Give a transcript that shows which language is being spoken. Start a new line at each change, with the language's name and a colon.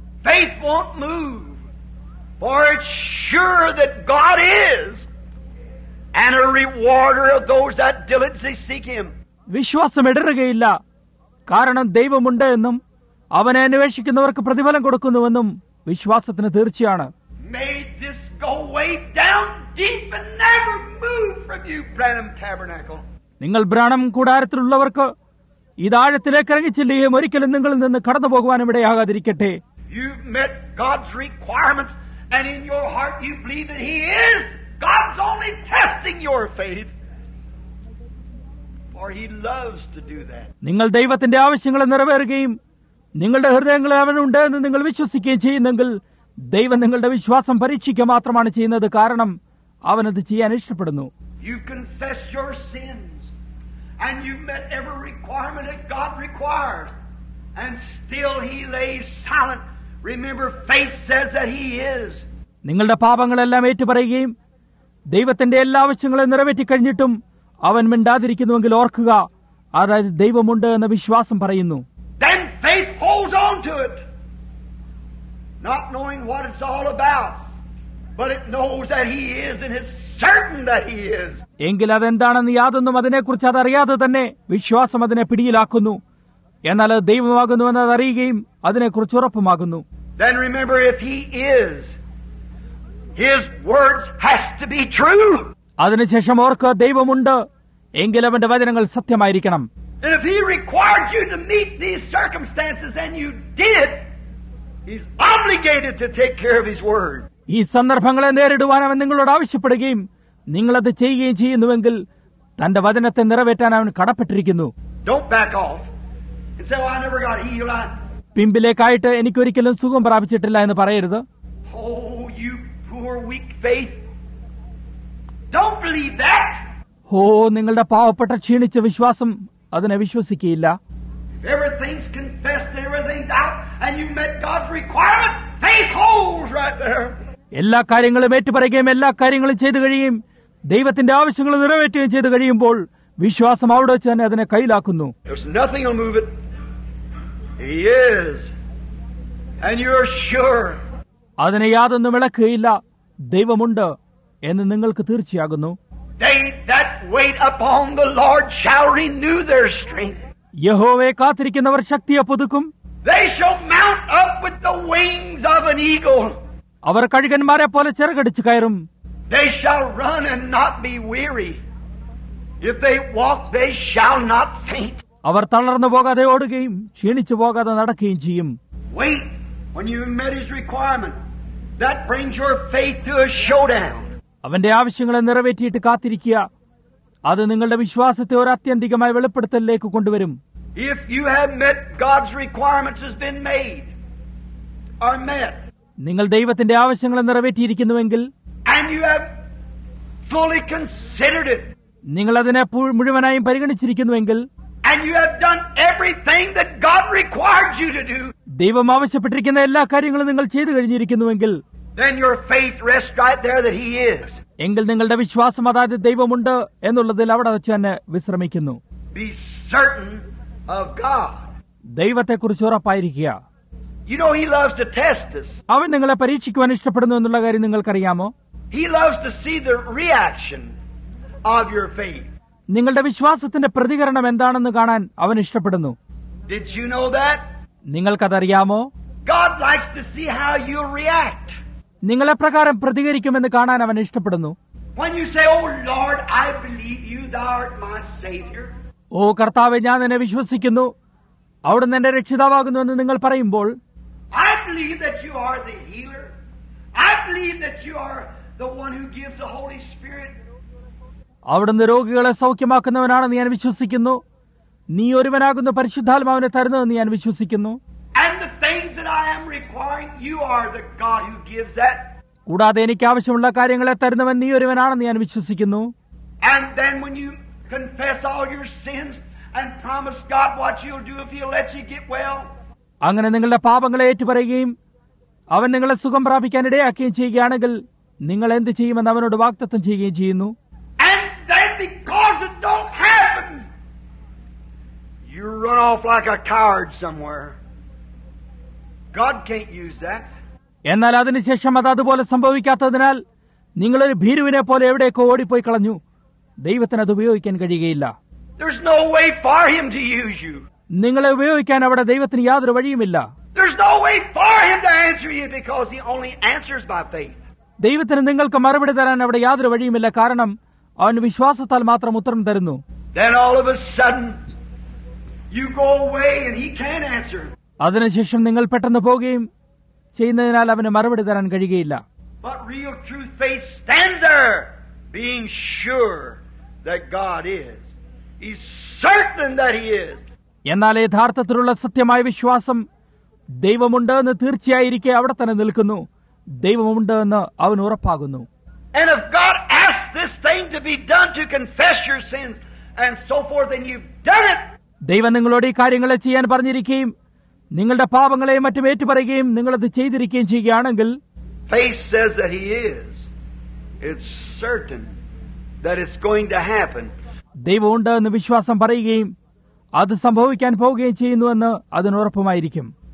English: Faith won't move, for it's sure that God is, and a rewarder of those that diligently seek Him.
Malayalam: വിശ്വാസം ഇടരുകയില്ല, കാരണം ദൈവമുണ്ട് എന്നും അവനെ അന്വേഷിക്കുന്നവർക്ക് പ്രതിഫലം കൊടുക്കുന്നുവെന്നും വിശ്വാസത്തിന് തീർച്ചയാണ്.
English: May this go way down deep and never move from you, Branham Tabernacle.
Malayalam: നിങ്ങൾ ബ്രാണം കൂടാരത്തിലുള്ളവർക്ക് ഇതാഴത്തിലേക്ക് ഇറങ്ങിച്ചെല്ലുകയും ഒരിക്കലും നിങ്ങളിൽ നിന്ന് കടന്നു പോകുവാനും ഇടയാകാതിരിക്കട്ടെ.
English: You've met God's requirements, and in your heart you believe that He is. God's only testing your faith, for He loves to do that.
Malayalam: നിങ്ങൾ ദൈവത്തിന്റെ ആവശ്യങ്ങളെ നിറവേറുകയും നിങ്ങളുടെ ഹൃദയങ്ങളിൽ അവനുണ്ട് എന്ന് നിങ്ങൾ വിശ്വസിക്കുകയും ചെയ്യുന്നെങ്കിൽ ദൈവം നിങ്ങളുടെ വിശ്വാസം പരീക്ഷിക്കുക മാത്രമാണ് ചെയ്യുന്നത്, കാരണം അവനത് ചെയ്യാൻ ഇഷ്ടപ്പെടുന്നു.
English: You confess your sins, and you've met every requirement that God requires, and still He lays silent. Remember, faith says that He is.
Malayalam: നിങ്ങളുടെ പാപങ്ങളെല്ലാം ഏറ്റുപറയുകയും ദൈവത്തിന്റെ എല്ലാ ആവശ്യങ്ങളും നിറവേറ്റിക്കഴിഞ്ഞിട്ടും അവൻ മിണ്ടാതിരിക്കുന്നുവെങ്കിൽ ഓർക്കുക, അതായത് ദൈവമുണ്ട് എന്ന വിശ്വാസം പറയുന്നു.
English: Then faith holds on to it, not knowing what it's all about, but it knows that He is, and it's certain that He is.
Malayalam: എങ്കിൽ അതെന്താണെന്ന് യാതൊന്നും അതിനെക്കുറിച്ച് അതറിയാതെ തന്നെ വിശ്വാസം അതിനെ പിടിയിലാക്കുന്നു. എന്നാൽ അത് ദൈവമാകുന്നു എന്ന് അതറിയുകയും അതിനെക്കുറിച്ച് ഉറപ്പുമാകുന്നു.
English: Then remember, if He is, His words has to be true.
Malayalam: അതിനുശേഷം ഓർക്കുക, ദൈവമുണ്ട് എങ്കിൽ അവന്റെ വചനങ്ങൾ സത്യമായിരിക്കണം.
English: And if He required you to meet these circumstances and you did, He's obligated to take care of His word.
Malayalam: ഈ സന്ദർഭങ്ങളെ നേരിടുവാൻ അവൻ നിങ്ങളോട് ആവശ്യപ്പെടുകയും നിങ്ങളത് ചെയ്യുകയും ചെയ്യുന്നുവെങ്കിൽ തന്റെ വചനത്തെ നിറവേറ്റാൻ അവൻ കടപ്പെട്ടിരിക്കുന്നു.
English: Don't back off. And say, well, I never got healed.
Malayalam: പിമ്പിലേക്കായിട്ട് എനിക്കൊരിക്കലും സുഖം പ്രാപിച്ചിട്ടില്ല എന്ന് പറയരുത്.
English: Oh, you poor weak faith. Don't believe that.
Malayalam: ഓ നിങ്ങളുടെ പാവപ്പെട്ട ക്ഷീണിച്ച വിശ്വാസം അതിനെ വിശ്വസിക്കുകയില്ല.
English: Everything's confessed, everything's out, and you've met God's requirement. Faith holds right there.
Malayalam: എല്ലാ കാര്യങ്ങളും ഏറ്റുപറയുകയും എല്ലാ കാര്യങ്ങളും ചെയ്തു കഴിയും ദൈവത്തിന്റെ ആവശ്യങ്ങൾ നിറവേറ്റുകയും ചെയ്തു കഴിയുമ്പോൾ വിശ്വാസം അവിടെ വെച്ച് തന്നെ അതിനെ കയ്യിലാക്കുന്നു.
English: There's nothing will move it. He is. And you're sure.
Malayalam: അതിനെ യാതൊന്നും വിളക്കുകയില്ല, ദൈവമുണ്ട് എന്ന് നിങ്ങൾക്ക് തീർച്ചയാകുന്നു.
English: They that wait upon the Lord shall renew their strength.
Malayalam: യഹോവയെ കാത്തിരിക്കുന്നവർ ശക്തിയെ പുതുക്കും.
English: They shall mount up with the wings of an eagle.
Malayalam: അവർ കഴുകന്മാരെ പോലെ ചിറകടിച്ചു കയറും.
English: They shall run and not be weary. If they walk, they shall not faint.
Malayalam: അവർ തളർന്നു പോകാതെ ഓടുകയും ക്ഷീണിച്ചു പോകാതെ നടക്കുകയും ചെയ്യും.
English: Wait when you meet His requirement. That brings your faith to a showdown.
Malayalam: അവന്റെ ആവശ്യങ്ങളെ നിറവേറ്റിയിട്ട് കാത്തിരിക്കുക, അത് നിങ്ങളുടെ വിശ്വാസത്തെ ഒരു ആത്യന്തികമായ വെളിപ്പെടുത്തലിലേക്ക് കൊണ്ടുവരും.
English: If you have met God's requirements has been made or met.
Malayalam: നിങ്ങൾ ദൈവത്തിന്റെ ആവശ്യങ്ങളെ നിറവേറ്റിയിരിക്കുന്നുവെങ്കിൽ
English: and you have fully considered it.
Malayalam: നിങ്ങൾ അതിനെ മുഴുവനായും പരിഗണിച്ചിരിക്കുന്നുവെങ്കിൽ
English: and you have done everything that God required you to do.
Malayalam: ദൈവം ആവശ്യപ്പെട്ടിരിക്കുന്ന എല്ലാ കാര്യങ്ങളും നിങ്ങൾ ചെയ്തു കഴിഞ്ഞിരിക്കുന്നുവെങ്കിൽ
English: then your faith rests right there that He is.
Malayalam: എങ്കിൽ നിങ്ങളുടെ വിശ്വാസം അതായത് ദൈവമുണ്ട് എന്നുള്ളതിൽ അവിടെ വെച്ച് തന്നെ വിശ്രമിക്കുന്നു.
English: Be certain of God.
Malayalam: ദൈവത്തെക്കുറിച്ച് ഉറപ്പായിരിക്കുക.
English: You know, He loves to test us.
Malayalam: അവൻ നിങ്ങളെ പരീക്ഷിക്കുവാൻ ഇഷ്ടപ്പെടുന്നു എന്നുള്ള കാര്യം നിങ്ങൾക്കറിയാമോ?
English: He loves to see the reaction of your faith.
Malayalam: നിങ്ങളുടെ വിശ്വാസത്തിന്റെ പ്രതികരണം എന്താണെന്ന് കാണാൻ അവൻ ഇഷ്ടപ്പെടുന്നു.
English: Did you know that?
Malayalam: നിങ്ങൾക്കതറിയാമോ?
English: God likes to see how you react.
Malayalam: നിങ്ങളെ പ്രകാരം പ്രതികരിക്കുമെന്ന് കാണാൻ അവൻ ഇഷ്ടപ്പെടുന്നു.
English: When you say, oh Lord, I believe you, thou art my savior.
Malayalam: ഓ കർത്താവെ, ഞാൻ നിന്നെ വിശ്വസിക്കുന്നു, അവിടുന്ന് എന്റെ രക്ഷിതാവാകുന്നു എന്ന് നിങ്ങൾ പറയുമ്പോൾ,
English: I believe that you are the healer. I believe that you are the one who gives the Holy Spirit.
Malayalam: അവിടുന്ന് രോഗികളെ സൗഖ്യമാക്കുന്നവനാണെന്ന് ഞാൻ വിശ്വസിക്കുന്നു. നീ ഒരുവനാകുന്ന പരിശുദ്ധാത്മാവിനെ തരുന്നതെന്ന് ഞാൻ വിശ്വസിക്കുന്നു.
English: And the things that I am requiring, you are the God who gives that.
Malayalam: കൂടാതെ എനിക്ക് ആവശ്യമുള്ള കാര്യങ്ങളെ തരുന്നവൻ നീ ഒരുവനാണെന്ന് ഞാൻ വിശ്വസിക്കുന്നു.
English: And then when you confess all your sins and promise God what you'll do if he'll let you get well.
Malayalam: അങ്ങനെ നിങ്ങളുടെ പാപങ്ങളെ ഏറ്റുപറയുകയും അവൻ നിങ്ങളെ സുഖം പ്രാപിക്കാൻ ഇടയാക്കുകയും ചെയ്യുകയാണെങ്കിൽ നിങ്ങൾ എന്ത് ചെയ്യുമെന്ന് അവനോട് വാഗ്ദത്തം ചെയ്യുകയും ചെയ്യുന്നു.
English: And then because it don't happen, you run off like a coward somewhere. God can't use that.
Malayalam: എന്നാൽ അതിനുശേഷം അത് അതുപോലെ സംഭവിക്കാത്തതിനാൽ നിങ്ങളൊരു ഭീരുവിനെ പോലെ എവിടേക്കോ ഓടിപ്പോയി കളഞ്ഞു. ദൈവത്തിന് അത് ഉപയോഗിക്കാൻ കഴിയുകയില്ല.
English: There's no way for him to use you.
Malayalam: നിങ്ങളെ ഉപയോഗിക്കാൻ അവിടെ ദൈവത്തിന് യാതൊരു വഴിയുമില്ല.
English: There's no way for him to answer you because he only answers by faith.
Malayalam: ദൈവത്തിന് നിങ്ങൾക്ക് മറുപടി തരാൻ അവിടെ യാതൊരു വഴിയുമില്ല, കാരണം അവൻ വിശ്വാസത്താൽ മാത്രം ഉത്തരം തരുന്നു.
English: Then all of a sudden you go away and he can't answer.
Malayalam: അതിനുശേഷം നിങ്ങൾ പെട്ടെന്ന് പോകുകയും ചെയ്യുന്നതിനാൽ അവന് മറുപടി തരാൻ കഴിയുകയില്ല.
English: But real true faith stands there being sure that God is. He's certain that he is.
Malayalam: എന്നാൽ യഥാർത്ഥത്തിലുള്ള സത്യമായ വിശ്വാസം ദൈവമുണ്ട് എന്ന് തീർച്ചയായിരിക്കെ അവിടെ തന്നെ നിൽക്കുന്നു. ദൈവമുണ്ട് എന്ന് അവൻ ഉറപ്പാകുന്നു.
English: And if God asks this thing to be done to confess your sins and so forth, then you've done it.
Malayalam: ദൈവം നിങ്ങളോട് ഈ കാര്യങ്ങളെ ചെയ്യാൻ പറഞ്ഞിരിക്കുകയും നിങ്ങളുടെ പാപങ്ങളെയും മറ്റും ഏറ്റുപറയുകയും നിങ്ങളത് ചെയ്തിരിക്കുകയും ചെയ്യുകയാണെങ്കിൽ,
English: faith says that he is. It's certain that it's going to happen.
Malayalam: ദൈവമുണ്ട് എന്ന് വിശ്വാസം പറയുകയും അത് സംഭവിക്കാൻ പോവുകയും ചെയ്യുന്നുവെന്ന് അതിനുറപ്പുമായിരിക്കും.